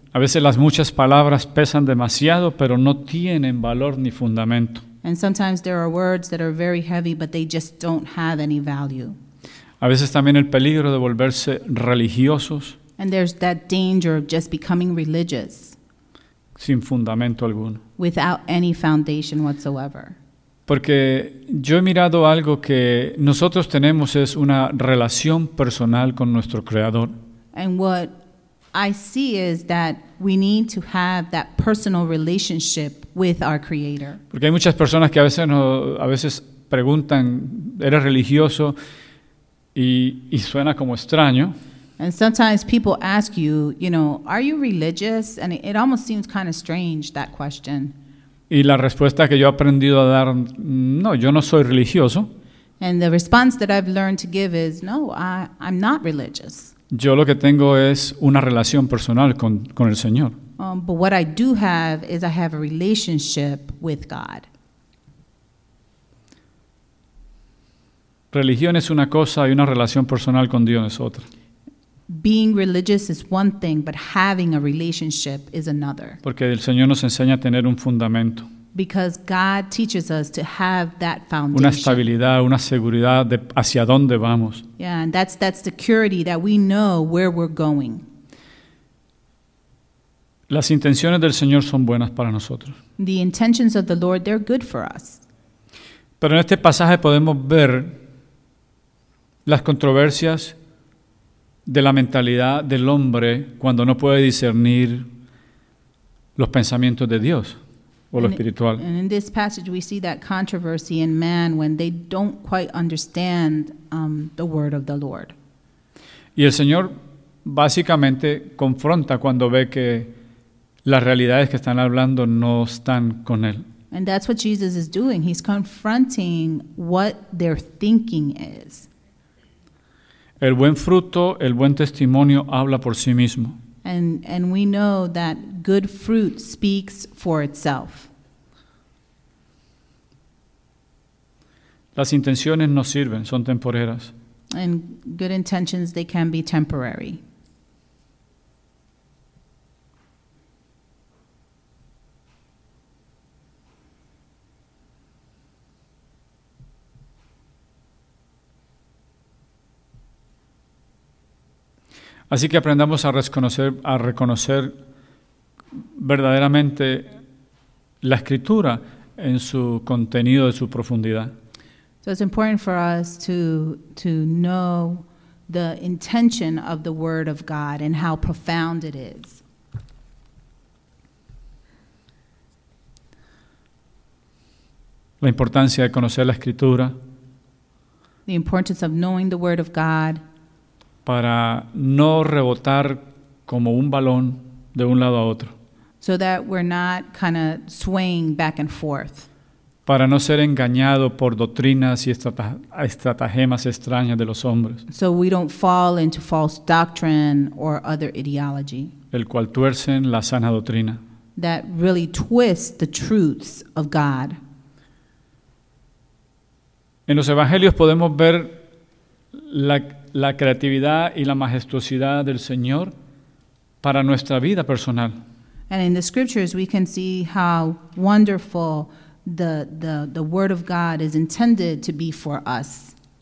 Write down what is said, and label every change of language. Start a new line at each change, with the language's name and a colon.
Spanish: A veces las muchas palabras pesan demasiado, pero no tienen valor ni fundamento.
English: And sometimes there are words that are very heavy, but they just don't have any value.
Spanish: A veces también el peligro de volverse religiosos.
English: And there's that danger of just becoming religious.
Spanish: Sin fundamento alguno.
English: Without any foundation whatsoever.
Spanish: Porque yo he mirado algo que nosotros tenemos es una relación personal con nuestro Creador.
English: And what I see is that we need to have that personal relationship with our Creator.
Spanish: Porque hay muchas personas que a veces preguntan, ¿eres religioso? Y suena como extraño.
English: And sometimes people ask you, you know, are you religious? And it almost seems kind of strange, that question.
Spanish: Y la respuesta que yo he aprendido a dar, no, yo no soy religioso.
English: And the response that I've learned to give is, no, I'm not religious.
Spanish: Yo lo que tengo es una relación personal con el Señor.
English: But what I do have is I have a relationship with God.
Spanish: Religión es una cosa y una relación personal con Dios es otra.
English: Being religious is one thing, but having a relationship is another.
Spanish: Porque el Señor nos enseña a tener un fundamento.
English: Because God teaches us to have that foundation.
Spanish: Una estabilidad, una seguridad de hacia dónde vamos.
English: Yeah, and that's security that we know where we're going.
Spanish: Las intenciones del Señor son buenas para nosotros.
English: The intentions of the Lord, they're good for us.
Spanish: Pero en este pasaje podemos ver las controversias de la mentalidad del hombre cuando no puede discernir los pensamientos de Dios o lo espiritual.
English: And in this passage we see that controversy in man when they don't quite understand the word of the Lord.
Spanish: Y el Señor básicamente confronta cuando ve que las realidades que están hablando no están con él.
English: And that's what Jesus is doing. He's confronting what their thinking is.
Spanish: El buen fruto, el buen testimonio habla por sí mismo.
English: And we know that good fruit speaks for itself.
Spanish: Las intenciones no sirven, son temporeras.
English: And good intentions, they can be temporary.
Spanish: Así que aprendamos a reconocer verdaderamente la escritura en su contenido, en su profundidad.
English: So it's important for us to know the intention of the word of God and how profound it is.
Spanish: La importancia de conocer la escritura.
English: The importance of knowing the word of God.
Spanish: Para no rebotar como un balón de un lado a otro.
English: So that we're not kind of swaying back and forth.
Spanish: Para no ser engañado por doctrinas y estratagemas extrañas de los hombres.
English: So we don't fall into false doctrine or other ideology.
Spanish: El cual tuercen la sana doctrina.
English: That really twists the truths of God.
Spanish: En los evangelios podemos ver la creatividad y la majestuosidad del Señor para nuestra vida personal.
English: And in the scriptures we can see how wonderful the word of God is intended to be for us.